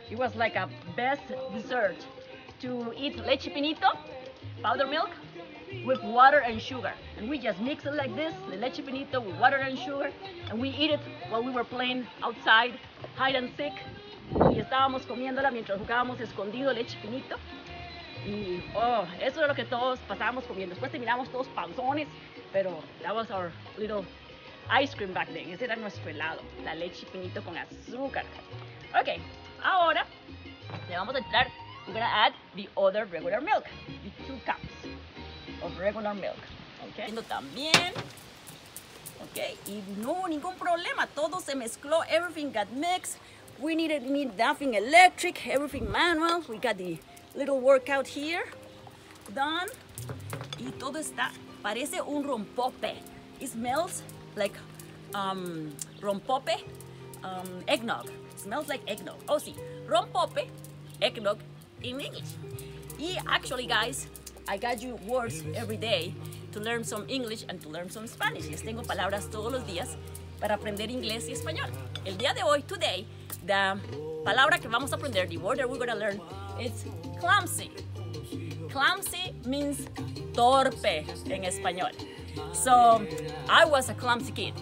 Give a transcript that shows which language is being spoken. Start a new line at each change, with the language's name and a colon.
English: It was like a best dessert to eat leche pinito, powder milk, with water and sugar. And we just mix it like this, the leche pinito with water and sugar, and we eat it while we were playing outside, hide and seek.
Spanish: Y estábamos comiéndola mientras jugábamos escondido leche pinito. Y, oh, eso es lo que todos pasábamos comiendo. Después terminamos todos panzones, pero
English: that was our little ice cream back then.
Spanish: Ese era nuestro helado, la leche pinito con azúcar. Ok, ahora le vamos a entrar.
English: We're gonna add the other regular milk, the 2 cups of regular milk.
Spanish: Ok, haciendo también. Ok, y no, ningún problema, todo se mezcló,
English: everything got mixed. We needed nothing electric, everything manual. We got the little workout here done.
Spanish: Y todo está, parece un rompope.
English: It smells like rompope, eggnog. It smells like eggnog. Oh, sí. Rompope, eggnog in English. Y actually, guys, I got you words every day to learn some English and to learn some Spanish.
Spanish: Les tengo palabras todos los días para aprender inglés y español. El día de hoy,
English: today, the
Spanish: palabra que vamos a aprender,
English: the word that we're going to learn, is clumsy. Clumsy means
Spanish: torpe en español.
English: So, I was a clumsy kid.